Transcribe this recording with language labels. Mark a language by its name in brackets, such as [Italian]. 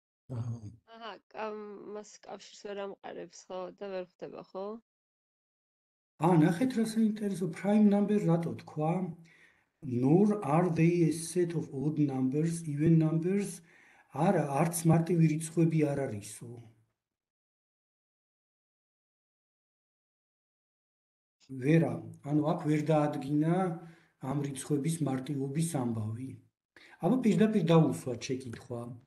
[Georgian] აჰა, ამას კავშირს ვერ ამყარებს, ხო? და ვერ ხდება, ხო? აა, ნახეთ რა საინტერესო, prime number რატო თქვა? [English] Nor are they a set of odd numbers, even numbers. [Georgian] არა, არც მარტივი რიცხვები არ არისო. ვერა, ანუ აქ ვერ დაადგინა ამ რიცხვების მარტივობის ამბავი. აბა პირდაპირ დაუსვა შეკითხვა.